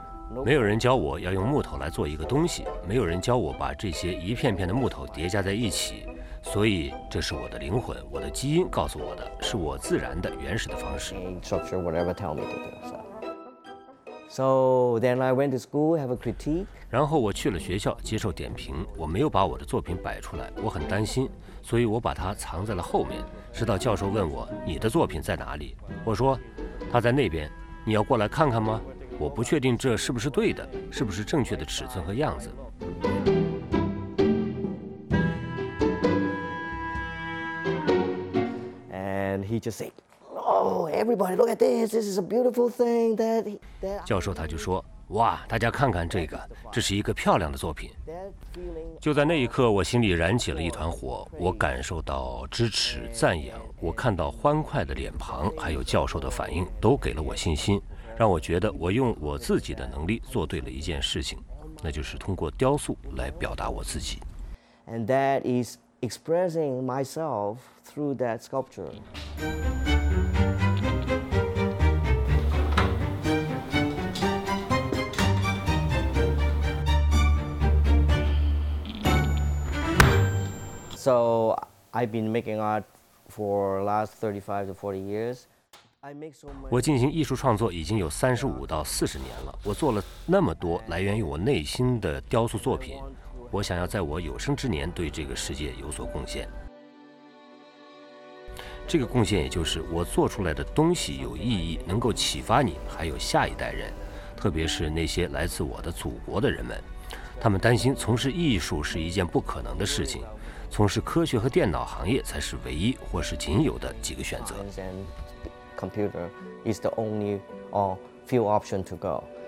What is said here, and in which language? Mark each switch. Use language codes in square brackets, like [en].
[zh] 没有人教我要用木头来做一个东西，没有人教我把这些一片片的木头叠加在一起，所以这是我的灵魂，我的基因告诉我的，是我自然的原始的方式。 [en] So then I went to school, have a critique. [zh] 然后我去了学校接受点评。我没有把我的作品摆出来，我很担心，所以我把它藏在了后面。直到教授问我你的作品在哪里，我说他在那边，你要过来看看吗？我不确定这是不是对的，是不是正确的尺寸和样子。 [en] And he just said. Everybody, look at this. This is a beautiful thing. That [zh] 教授他就说，哇，大家看看这个，这是一个漂亮的作品。就在那一刻，我心里燃起了一团火，我感受到支持、赞扬，我看到欢快的脸庞，还有教授的反应，都给了我信心，让我觉得我用我自己的能力做对了一件事情，那就是通过雕塑来表达我自己。 [en] And that is expressing myself through that sculpture. So I've been making art for last 35 to 40 years. [zh] 我进行艺术创作已经有35到40年了。我做了那么多来源于我内心的雕塑作品，我想要在我有生之年对这个世界有所贡献。这个贡献也就是我做出来的东西有意义，能够启发你，还有下一代人，特别是那些来自我的祖国的人们。他们担心从事艺术是一件不可能的事情。从事科学和电脑行业才是唯一或是仅有的几个选择。 [en] Computer is the only or few option to go.